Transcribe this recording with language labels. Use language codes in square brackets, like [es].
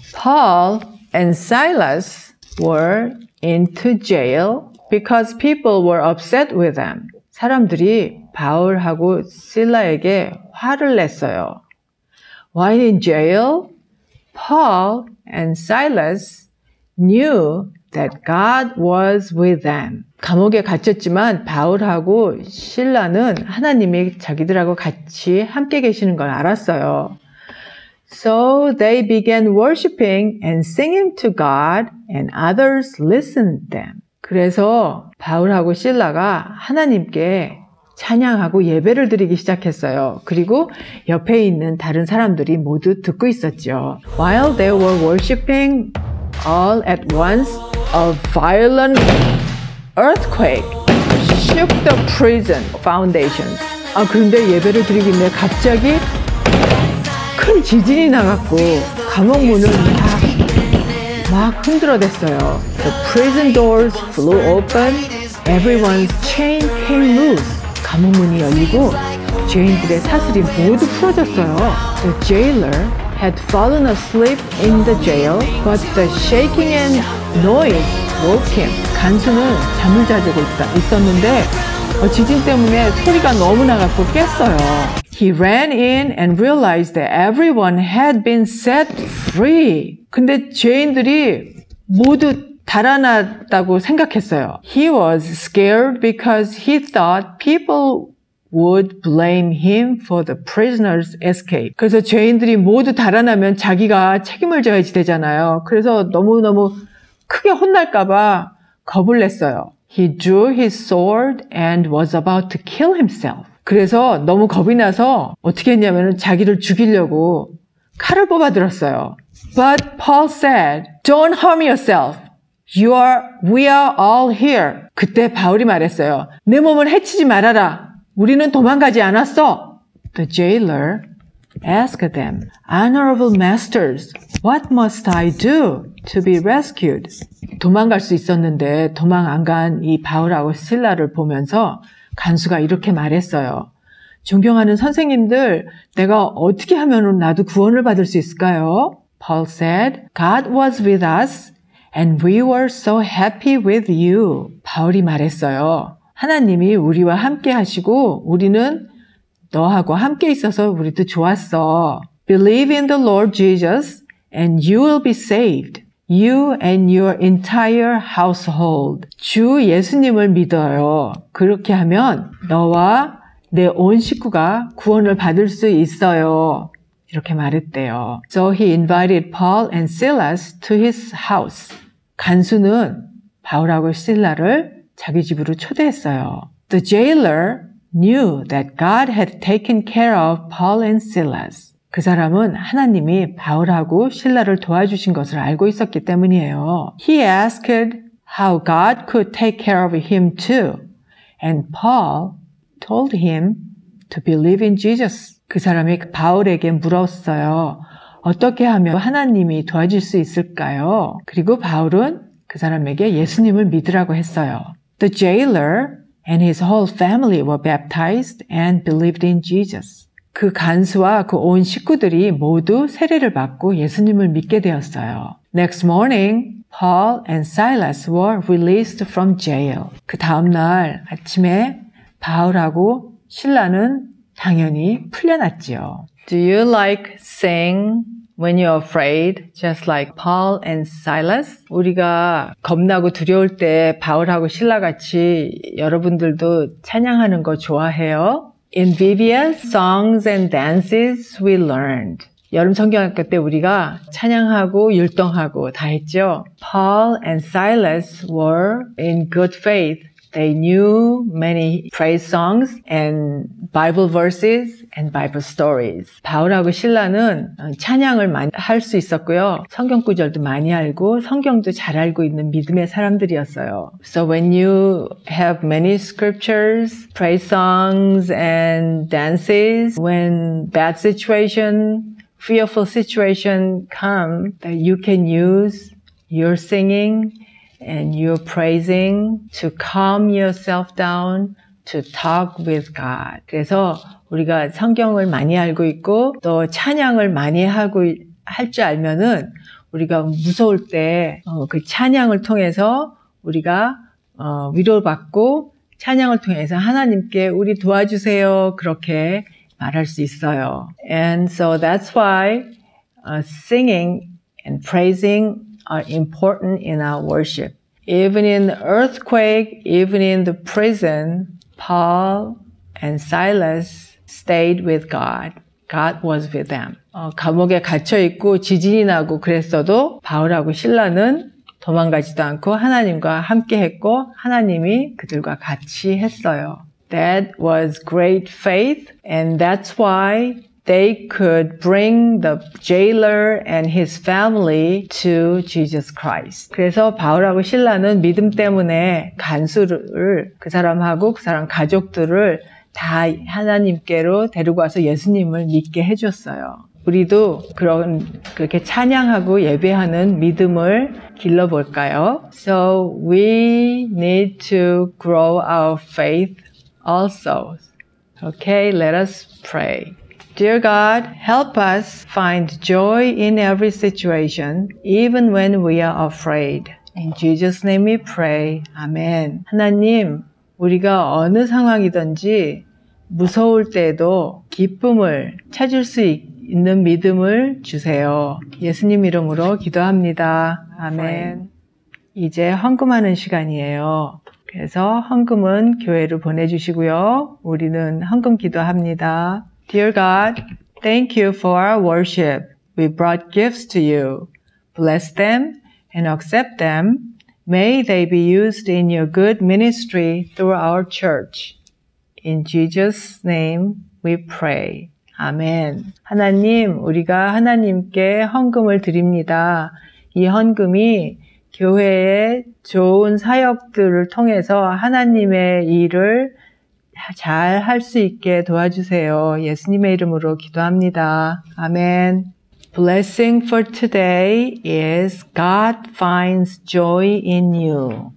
[en] Paul and Silas were into jail because people were upset with them. [ko] 사람들이 바울하고 실라에게 화를 냈어요. [en] While in jail, Paul and Silas knew that God was with them. [ko] 감옥에 갇혔지만 바울하고 실라는 하나님이 자기들하고 같이 함께 계시는 걸 알았어요. [en] So they began worshiping and singing to God and others listened to them. [ko] 그래서 바울하고 실라가 하나님께 찬양하고 예배를 드리기 시작했어요. 그리고 옆에 있는 다른 사람들이 모두 듣고 있었죠. [en] While they were worshiping, all at once, a violent earthquake shook the prison foundations. [ko] 아, 그런데 예배를 드리길래 갑자기 큰 지진이 나갔고 감옥 문을 막 흔들어댔어요. [en] The prison doors flew open. Everyone's chain came loose. [ko] 감옥 문이 열리고 죄인들의 사슬이 모두 풀어졌어요. [en] The jailer had fallen asleep in the jail, but the shaking and noise woke him. [ko] 간수는 잠을 자고 있었는데 지진 때문에 소리가 너무 나갖고 깼어요. [en] He ran in and realized that everyone had been set free. [ko] 근데 죄인들이 모두 달아났다고 생각했어요. [en] He was scared because he thought people would blame him for the prisoner's escape. [ko] 그래서 죄인들이 모두 달아나면 자기가 책임을 져야지 되잖아요. 그래서 너무너무 크게 혼날까봐 겁을 냈어요. [en] He drew his sword and was about to kill himself. [ko] 그래서 너무 겁이 나서 어떻게 했냐면 자기를 죽이려고 칼을 뽑아들었어요. [en] But Paul said, Don't harm yourself. We are all here. [ko] 그때 바울이 말했어요. 내 몸을 해치지 말아라. 우리는 도망가지 않았어. [en] The jailer asked them, Honorable masters, what must I do to be rescued? [ko] 도망갈 수 있었는데 도망 안 간 이 바울하고 실라를 보면서 간수가 이렇게 말했어요. 존경하는 선생님들, 내가 어떻게 하면 나도 구원을 받을 수 있을까요? [en] Paul said, God was with us and we were so happy with you. [ko] 바울이 말했어요. 하나님이 우리와 함께 하시고 우리는 너하고 함께 있어서 우리도 좋았어. [en] Believe in the Lord Jesus and you will be saved. You and your entire household. [ko] 주 예수님을 믿어요. 그렇게 하면 너와 내 온 식구가 구원을 받을 수 있어요. 이렇게 말했대요. [en] So he invited Paul and Silas to his house. [ko] 간수는 바울하고 실라를 자기 집으로 초대했어요. [en] The jailer knew that God had taken care of Paul and Silas. [ko] 그 사람은 하나님이 바울하고 실라를 도와주신 것을 알고 있었기 때문이에요. [en] He asked how God could take care of him too. And Paul told him to believe in Jesus. [ko] 그 사람이 바울에게 물었어요. 어떻게 하면 하나님이 도와줄 수 있을까요? 그리고 바울은 그 사람에게 예수님을 믿으라고 했어요. [en] The jailer and his whole family were baptized and believed in Jesus. [ko] 그 간수와 그 온 식구들이 모두 세례를 받고 예수님을 믿게 되었어요. [en] Next morning, Paul and Silas were released from jail. [ko] 그 다음날 아침에 바울하고 실라는 당연히 풀려났지요. [en] Do you like sing when you're afraid, just like Paul and Silas? [ko] 우리가 겁나고 두려울 때 바울하고 실라같이 여러분들도 찬양하는 거 좋아해요? [en] In VBS, songs and dances we learned. [ko] 여름 성경학교 때 우리가 찬양하고 율동하고 다 했죠. [en] Paul and Silas were in good faith. They knew many praise songs and Bible verses and Bible stories. [ko] 바울하고 실라는 찬양을 많이 할 수 있었고요. 성경 구절도 많이 알고 성경도 잘 알고 있는 믿음의 사람들이었어요. [en] So when you have many scriptures, praise songs and dances, when bad situation, fearful situation come, that you can use your singing and you're praising to calm yourself down, to talk with God. [ko] 그래서 우리가 성경을 많이 알고 있고 또 찬양을 많이 하고 할 줄 알면은 우리가 무서울 때 그 찬양을 통해서 우리가 위로받고 찬양을 통해서 하나님께 우리 도와주세요. 그렇게 말할 수 있어요. [en] And so that's why singing and praising are important in our worship. Even in the earthquake, even in the prison, Paul and Silas stayed with God. God was with them. [ko] 감옥에 갇혀 있고 지진이 나고 그랬어도 바울하고 실라는 도망가지도 않고 하나님과 함께 했고 하나님이 그들과 같이 했어요. [en] That was great faith, and that's why they could bring the jailer and his family to Jesus Christ. [ko] 그래서 바울하고 실라는 믿음 때문에 간수를 그 사람하고 그 사람 가족들을 다 하나님께로 데리고 와서 예수님을 믿게 해줬어요. 우리도 그렇게 찬양하고 예배하는 믿음을 길러볼까요? [en] So we need to grow our faith also. Okay, let us pray. Dear God, help us find joy in every situation, even when we are afraid. In Jesus' name we pray. Amen. [ko] 하나님, 우리가 어느 상황이든지 무서울 때도 기쁨을 찾을 수 있는 믿음을 주세요. 예수님 이름으로 기도합니다. 아멘. 이제 헌금하는 시간이에요. 그래서 헌금은 교회로 보내주시고요. 우리는 헌금 기도합니다. [en] Dear God, thank you for our worship. We brought gifts to you. Bless them and accept them. May they be used in your good ministry through our church. In Jesus' name we pray. Amen. [ko] 하나님, 우리가 하나님께 헌금을 드립니다. 이 헌금이 교회의 좋은 사역들을 통해서 하나님의 일을 잘 할 수 있게 도와주세요. 예수님의 이름으로 기도합니다. 아멘. [en] Blessing for today is God finds joy in you.